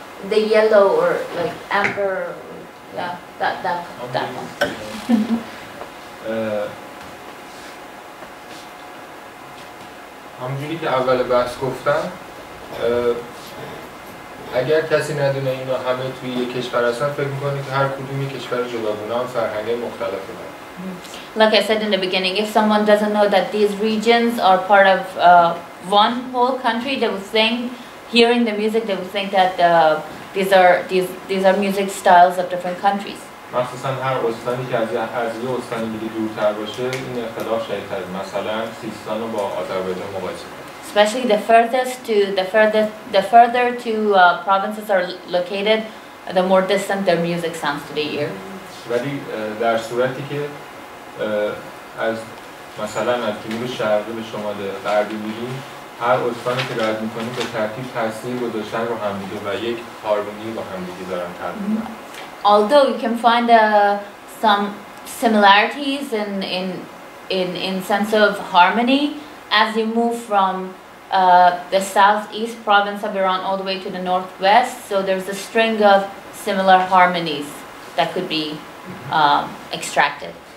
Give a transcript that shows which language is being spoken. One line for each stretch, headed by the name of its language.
English: The yellow or like amber, yeah, that one.
Persian: همجوری که اول بحث گفتم اگر کسی ندونه اینا همه توی یک کشور هستن فکر میکنه که هر کدوم یک کشور جداگونه هم فرهنگ مختلف دارن.
English: Like I said in the beginning, if someone doesn't know that these regions are part of one whole country, they will think, hearing the music, they will think that these are music styles of different countries.
Persian: مخصوصاً هر استانی که از یه استانی دیگه دورتر باشه، این اختلاف شدیدتر. مثلاً سیستان رو با آذربایجان مقایسه کنید.
English: Especially the further provinces are located, the more distant their music sounds to the ear.
Persian: ولی در صورتی که از مثلاً از جنوب شرقی به شمال غربی می‌ریم، هر استانی که رد می‌کنیم به ترتیب تأثیر گذاشتن رو هم دیگه و یک هارمونی با هم دیگه دارن ترتیب.
English: Although you can find some similarities in sense of harmony as you move from the southeast province of Iran all the way to the northwest, so there's a string of similar harmonies that could be extracted.